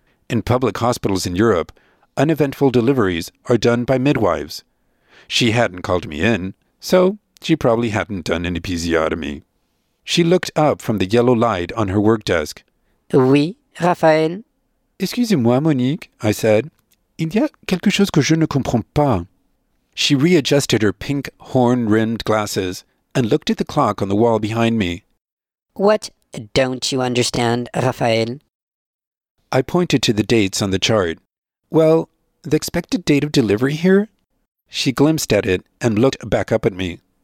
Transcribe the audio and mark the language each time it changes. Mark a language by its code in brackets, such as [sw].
[en] In public hospitals in Europe, uneventful deliveries are done by midwives. She hadn't called me in, so she probably hadn't done an episiotomy. She looked up from the yellow light on her work desk. [fr] Oui, Raphaël. Excusez-moi, Monique, [en] I said. [fr] Il y a quelque chose que je ne comprends pas. [en] She readjusted her pink horn-rimmed glasses and looked at the clock on the wall behind me. What don't you understand, Raphaël? I pointed to the dates on the chart. Well, the expected date of delivery here? She glimpsed at it and looked back up at me.